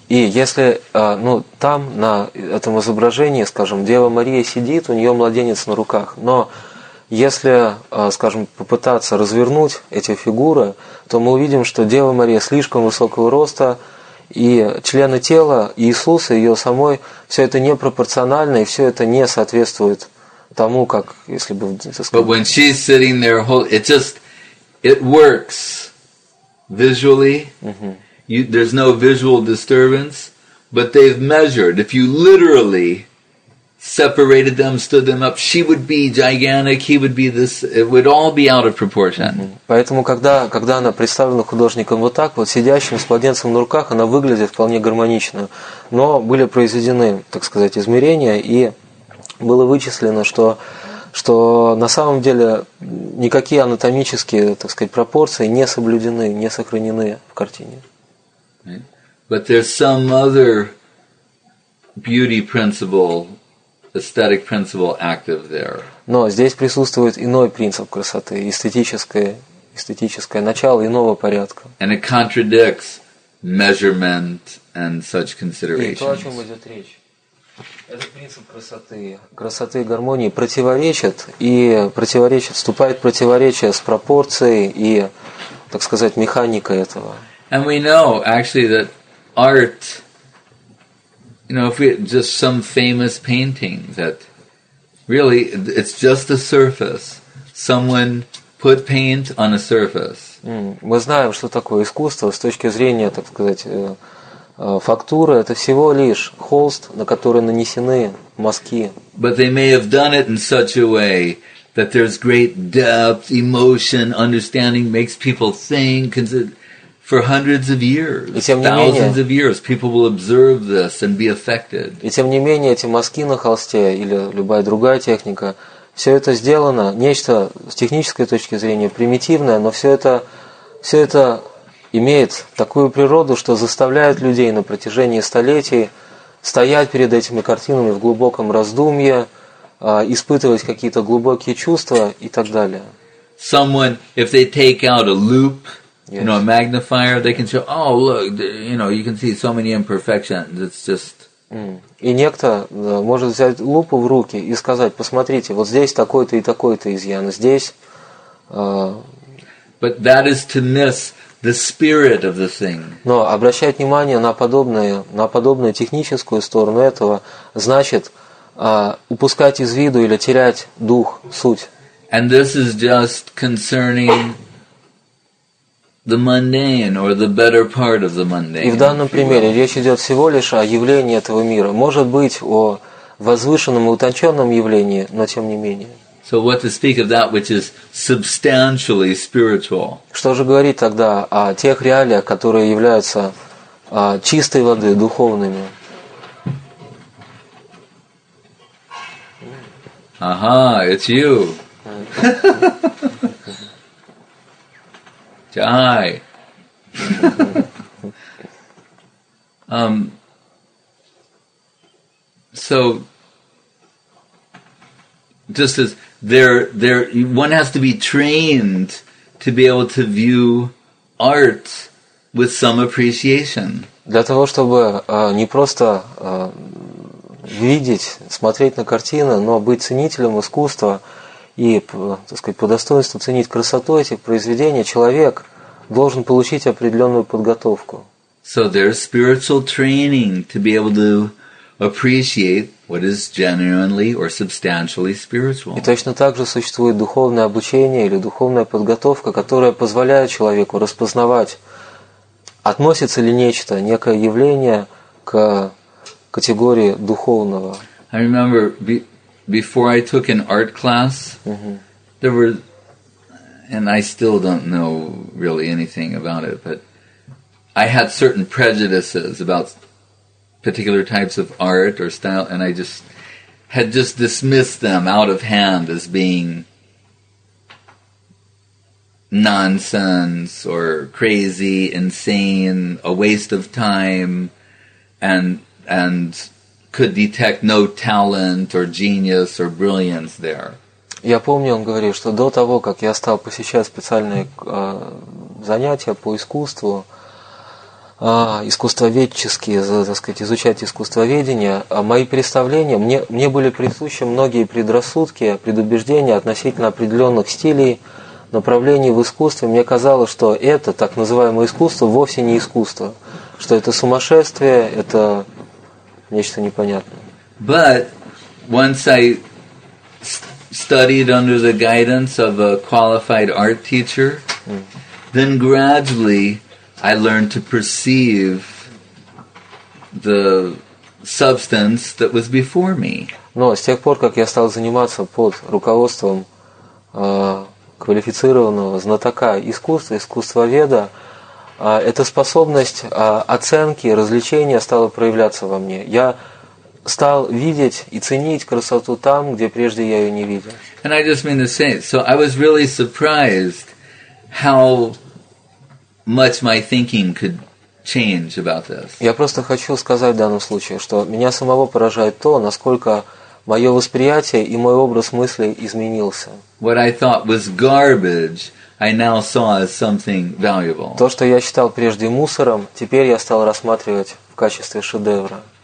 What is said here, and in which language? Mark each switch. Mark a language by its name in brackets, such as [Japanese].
[Russian] И если, ну, там на этом изображении, скажем, Дева Мария сидит, у нее младенец на руках, но если, скажем, попытаться развернуть эти фигуры, то мы увидим, что Дева Мария слишком высокого роста. И члены тела Иисуса, ее самой, все это непропорционально, и все это не соответствует тому, как если бы... [English] But when she's sitting there, it just, it works visually. Mm-hmm. You, there's no visual disturbance, but they've measured. If you literally separated them, stood them up, she would be gigantic, he would be this, it would all be out of proportion. Mm-hmm. [Russian] Поэтому, когда она представлена художником вот так, вот сидящим с младенцем на руках, она выглядит вполне гармонично. Но были произведены, так сказать, измерения, и было вычислено, что на самом деле никакие анатомические, так сказать, пропорции не соблюдены, не сохранены в картине. [English] But there's some other beauty principle, aesthetic principle active there. [Russian] Но здесь присутствует иной принцип красоты, эстетическое начало иного порядка. [English] And it contradicts measurement and such considerations. [Russian] И то, о чем идет речь. Этот принцип красоты и гармонии вступает в противоречие с пропорцией и, так сказать, механикой этого. [English] And we know, actually, that art... You know, if we just some famous painting that really it's just a surface. Someone put paint on a surface. [Russian] Мы знаем, что такое искусство с точки зрения, так сказать, фактуры. Это всего лишь холст, на который нанесены мазки. [English] But they may have done it in such a way that there's great depth, emotion, understanding, makes people think. For hundreds of years, thousands of years, people will observe this and be affected. [Russian] И тем не менее, эти мазки на холсте или любая другая техника, все это сделано, нечто с технической точки зрения примитивное, но все это имеет такую природу, что заставляет людей на протяжении столетий стоять перед этими картинами в глубоком раздумье, испытывать какие-то глубокие чувства и так далее. [English] Someone, if they take out a loop, you know, a magnifier, they can show, oh, look, you know, you can see so many imperfections. It's just... [Russian] И некто может взять лупу в руки и сказать, посмотрите, вот здесь такой-то и такой-то изъян, здесь... [English] But that is to miss the spirit of the thing. [Russian] Но обращать внимание на подобную техническую сторону этого значит упускать из виду или терять дух, суть. [English] And this is just concerning... The mundane, or the better part of the mundane. [Russian] И в данном примере речь идет всего лишь о явлении этого мира. Может быть, о возвышенном и утонченном явлении, но тем не менее. [English] So what to speak of that which is substantially spiritual? [Russian] Что же говорить тогда о тех реалиях, которые являются чистой воды, духовными? [English] Ага, it's you. Die. So, just as there, one has to be trained to be able to view art with some appreciation. [Russian] Для того чтобы не просто видеть, смотреть на картины, но быть ценителем искусства и, так сказать, по достоинству ценить красоту этих произведений, человек должен получить определенную подготовку. [English] So there's spiritual training to be able to appreciate what is genuinely or substantially spiritual. [Russian] И точно так же существует духовное обучение или духовная подготовка, которая позволяет человеку распознавать, относится ли нечто, некое явление к категории духовного. [English] I remember before I took an art class, there were, and I still don't know really anything about it, but I had certain prejudices about particular types of art or style, and I just had just dismissed them out of hand as being nonsense or crazy, insane, a waste of time, and could detect no talent or genius or brilliance there. [Russian] Я помню, он говорит, что до того, как я стал посещать специальные занятия по искусству, искусствоведческие, так сказать, изучать искусствоведение, мои представления, мне были присущи многие предрассудки, предубеждения относительно определенных стилей, направлений в искусстве. Мне казалось, что это, так называемое искусство, вовсе не искусство, что это сумасшествие, это нечто непонятное. [English] But once I studied under the guidance of a qualified art teacher, then gradually I learned to perceive the substance that was before me. [Russian] Но с тех пор, как я стал заниматься под руководством квалифицированного знатока искусства, искусствоведа, эта способность оценки, развлечения стала проявляться во мне. Я стал видеть и ценить красоту там, где прежде я ее не видел. [English] And I just mean to say, so I was really surprised how much my thinking could change about this. [Russian] Я просто хочу сказать в данном случае, что меня самого поражает то, насколько мое восприятие и мой образ мыслей изменился. [English] What I thought was garbage, I now saw as something valuable. [Russian] То, что я считал прежде мусором, теперь я стал рассматривать в качестве шедевра.